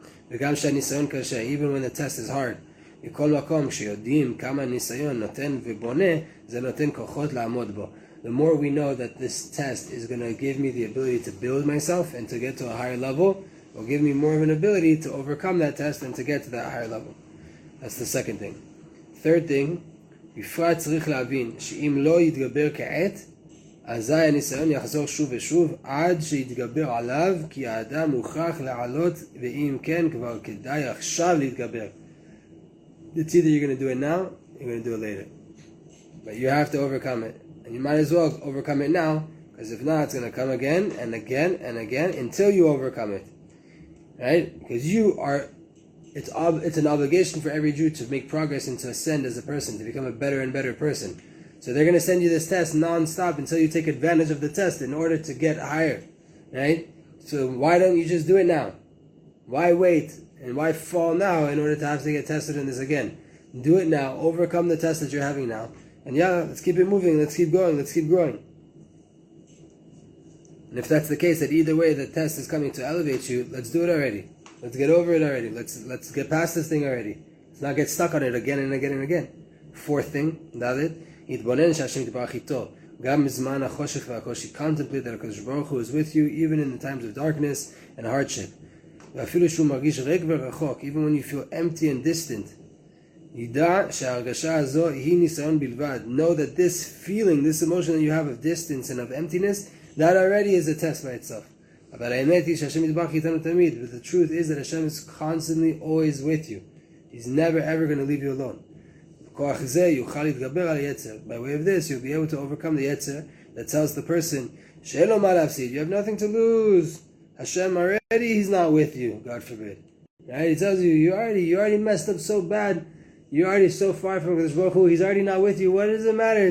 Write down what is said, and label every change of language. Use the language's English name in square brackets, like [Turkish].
[English] Even when the test is hard. [Hebrew] מכל מקום שיודעים כמה ניסיון נותן ובונה, זה נותן כוחות לעמוד בו. [English] The more we know that this test is going to give me the ability to build myself and to get to a higher level, will give me more of an ability to overcome that test and to get to that higher level. That's the second thing. Third thing, [Hebrew] יפה צריך להבין שאם לא יתגבר כעת, אזי הניסיון יחזור שוב ושוב עד שיתגבר עליו, כי האדם מוכרח לעלות, ואם כן, כבר כדאי עכשיו להתגבר. [English] It's either you're going to do it now, or you're going to do it later. But you have to overcome it. And you might as well overcome it now, because if not, it's going to come again and again and again until you overcome it. Right? Because you are, it's an obligation for every Jew to make progress and to ascend as a person, to become a better and better person. So they're going to send you this test non-stop until you take advantage of the test in order to get higher. Right? So why don't you just do it now? Why wait? And why fall now in order to have to get tested in this again? Do it now. Overcome the test that you're having now. And yeah, let's keep it moving. Let's keep going. Let's keep growing. And if that's the case, that either way the test is coming to elevate you, let's do it already. Let's get over it already. Let's get past this thing already. Let's not get stuck on it again and again and again. Fourth thing, David, [Hebrew] יתבונן שהשם יתברך איתו. גם בזמן החושך והקושי, [English] contemplate that HaKadosh Baruch Hu is with you, even in the times of darkness and hardship. [Hebrew] ואפילו שהוא מרגיש ריק ורחוק, [English] even when you feel empty and distant, [Hebrew] ידע שההרגשה הזו היא ניסיון בלבד. [English] Know that this feeling, this emotion that you have of distance and of emptiness, that already is a test by itself. [Hebrew] אבל האמת היא שהשם יתברך איתנו תמיד, [English] but the truth is that Hashem is constantly always with you. He's never ever going to leave you alone. [Hebrew] כוח זה יוכל להתגבר על יצר. [English] By way of this, you'll be able to overcome the יצר that tells the person, [Hebrew] שאין לו מה להפסיד, [English] you have nothing to lose. Hashem already, he's not with you, God forbid. Right? He tells you, you already messed up so bad, you're already so far from HaKadosh Baruch Hu, he's already not with you. What does it matter?